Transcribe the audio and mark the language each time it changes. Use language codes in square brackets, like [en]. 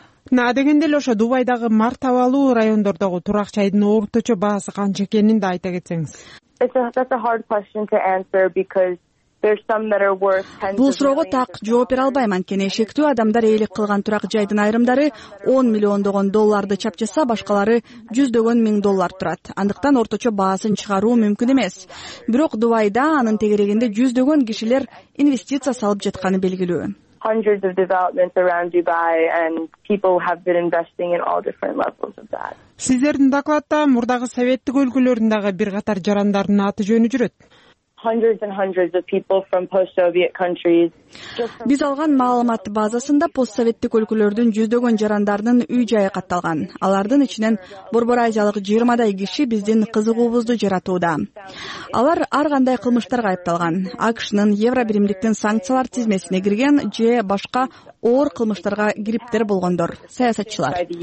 [ky] Мына дегенде эле ошо Дубайдагы мартабалуу райондордогу турак жайдын орточо баасы канча экенин да айта кетсеңиз. [en] That's a hard question to answer because there's some that are worth 10 [ky] Бул суроого так жооп бере албайм, анткени шектүү адамдар ээлик кылган турак жайдын айрымдары 10 миллиондогон долларды чапчаса, башкалары жүздөгөн миң доллар турат. Андыктан орточо баасын чыгаруу мүмкүн эмес. Бирок Дубайда анын тегерегинде жүздөгөн кишилер инвестиция салып жатканы белгилүү. [en] Hundreds of developments around Dubai and people have been investing in all different levels of that. [ky] Сиздердин докладда мурдагы советтик өлкөлөрүн дагы бир катар жарандардын аты жөнү жүрөт. [en] Hundreds and hundreds of people from post-Soviet countries. [ky] Биз алган маалымат базасында постсоветтик өлкөлөрдүн жүздөгөн жарандарынын үй жайы катталган. Алардын ичинен борбор азиялык 20 киши биздин кызыгуубузду жаратууда. Алар ар кандай кылмыштарга айыпталган. АКШнын Евробиримдиктин санкциялар тизмесине кирген же башка оор кылмыштарга кириптер болгондор, саясатчылар.